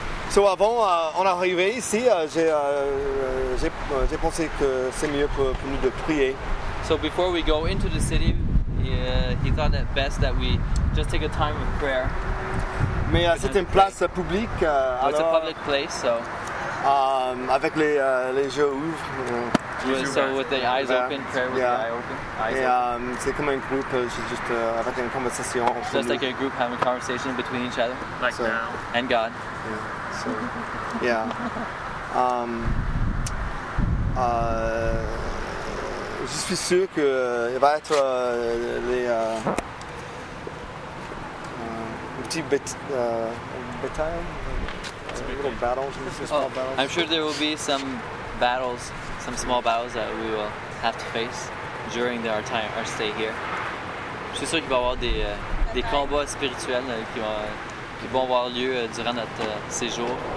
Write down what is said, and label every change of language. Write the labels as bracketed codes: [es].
[fr] So avant, en arrivant ici, j'ai pensé que c'est mieux pour nous de prier. [en] So before we go into the city, he thought that best that we just take a time of prayer. [fr] Mais c'est une place publique. [en] It's a public place, so. [fr] Avec les yeux ouverts. [en] So with the eyes open, prayer with the eye open. [fr] C'est comme un groupe, c'est juste avec une conversation. [en] Just like a group having a conversation between each other. Like so. Now. And God. Yeah. So, yeah. [fr] Je suis sûr que il va être les petits battles. [en] I'm sure there will be some battles, some small battles that we will have to face during our time, our stay here. [fr] Je suis sûr qu'il va y avoir des combats spirituels qui vont avoir lieu durant notre séjour.